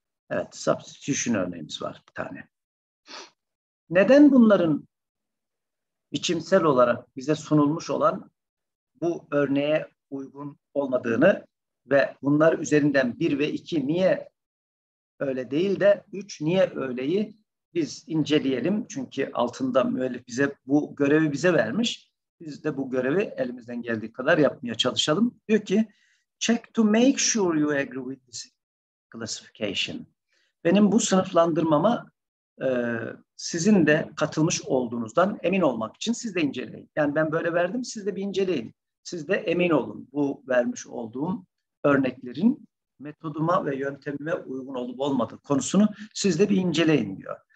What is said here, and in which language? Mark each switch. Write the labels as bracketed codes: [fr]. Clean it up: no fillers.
[tr] Evet, substitution örneğimiz var bir tane. Neden bunların biçimsel olarak bize sunulmuş olan bu örneğe uygun olmadığını ve bunlar üzerinden 1 ve 2 niye öyle değil de 3 niye öyleyi biz inceleyelim. Çünkü altında müellif bize bu görevi bize vermiş. Biz de bu görevi elimizden geldiği kadar yapmaya çalışalım. Diyor ki, [en] check to make sure you agree with this classification. [tr] Benim bu sınıflandırmama sizin de katılmış olduğunuzdan emin olmak için siz de inceleyin. Yani ben böyle verdim, siz de bir inceleyin. Siz de emin olun bu vermiş olduğum örneklerin metoduma ve yöntemime uygun olup olmadığı konusunu siz de bir inceleyin diyor.